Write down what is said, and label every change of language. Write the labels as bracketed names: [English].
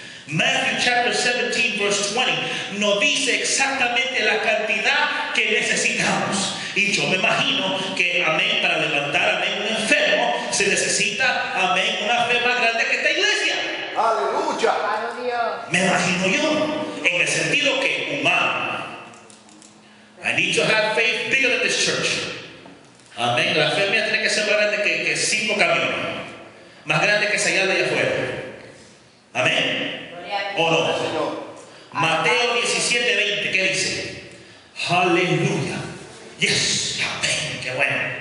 [English] Matthew chapter 17, verse 20. [Spanish] Nos dice exactamente la cantidad que necesitamos. Y yo me imagino que, amén, para levantar, amén, un enfermo, se necesita, amén, una fe más grande que esta iglesia. Aleluya. Me imagino yo, en el sentido que humano. [English] I need to have faith bigger than this church. [Spanish] Amén. La fe mía tiene que ser más grande que cinco caminos. Más grande que señal de allá afuera. Amén. ¿O no? Mateo 17, 20, ¿qué dice? Aleluya. Yes. Amén. Qué bueno.